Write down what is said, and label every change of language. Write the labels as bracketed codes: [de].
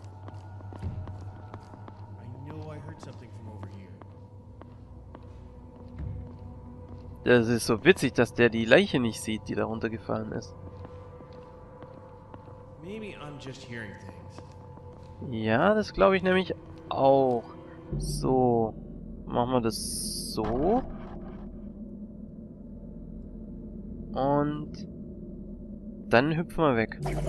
[en] I know I heard something from over here. [de] Das ist so witzig, dass der die Leiche nicht sieht, die da runtergefallen ist. [en] Maybe I'm just hearing things. [de] Ja, das glaube ich nämlich auch. So, machen wir das so. Und dann hüpfen wir weg.